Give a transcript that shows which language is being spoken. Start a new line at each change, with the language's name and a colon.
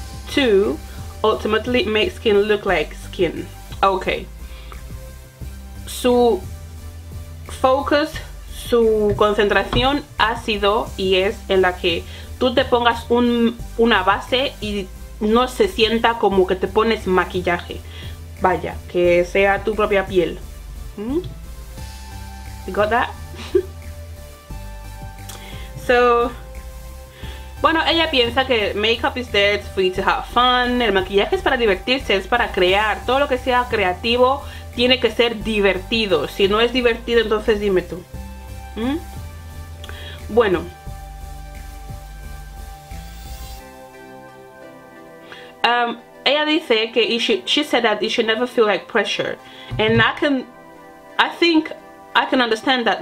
English: Two, ultimately make skin look like skin. Okay.
Spanish: Su focus, su concentración ha sido y es en la que tú te pongas una base y no se sienta como que te pones maquillaje. Vaya, que sea tu propia piel.
English: You got that? So,
Spanish: bueno, ella piensa que
English: makeup is there, it's free to have fun.
Spanish: El maquillaje es para divertirse, es para crear. Todo lo que sea creativo tiene que ser divertido. Si no es divertido, entonces dime tú. Bueno, ella dice que
English: she said that you should never feel like pressure, and I think I can understand that.